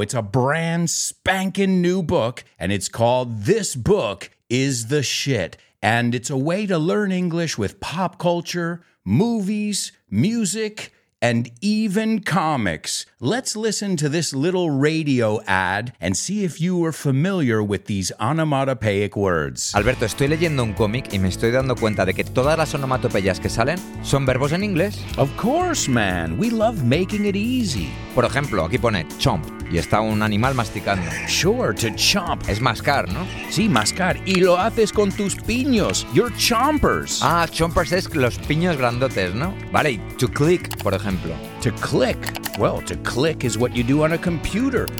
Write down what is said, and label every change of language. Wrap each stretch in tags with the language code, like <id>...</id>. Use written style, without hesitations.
<en>It's a brand spanking new book, and it's called This Book Is the Shit. And it's a way to learn English with pop culture, movies, music, and even comics. Let's listen to this little radio ad and see if you are familiar with these onomatopoeic words.</en> <es>Alberto, estoy leyendo un cómic y me estoy dando cuenta de que todas las onomatopeyas que salen son verbos en inglés.</es> <en>Of course, man. We love making it easy.</en> <es>Por ejemplo, aquí pone chomp y está un animal masticando.</es> <en>Sure, to chomp.</en> <es>Es mascar, ¿no? Sí, mascar. Y lo haces con tus piños.</es> <en>Your chompers.</en> <es>Ah, chompers es los piños grandotes, ¿no? Vale, y to click, por ejemplo.</es> <en>To click. Well, to click is what you do on a computer.</en>